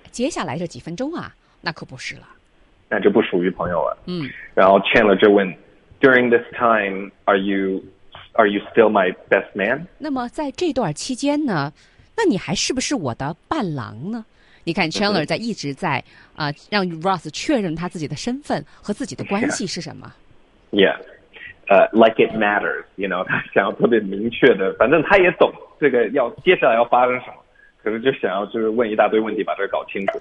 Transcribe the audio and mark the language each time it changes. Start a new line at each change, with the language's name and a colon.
Chinese: 接下来这几分钟啊那可不是了，那就不属于朋友了。嗯，然后 Chandler 就问
English: During this time are you still my best man？
Chinese: 那么在这段期间呢，那你还是不是我的伴郎呢？你看 Chandler 在一直在让 Ross 确认他自己的身份和自己的关系是什么。
English: Yeah, like it matters, you know,
Chinese: 他想要特别明确的，反正他也懂这个要接下来要发生什么，可是就想要就是问一大堆问题把这个搞清楚。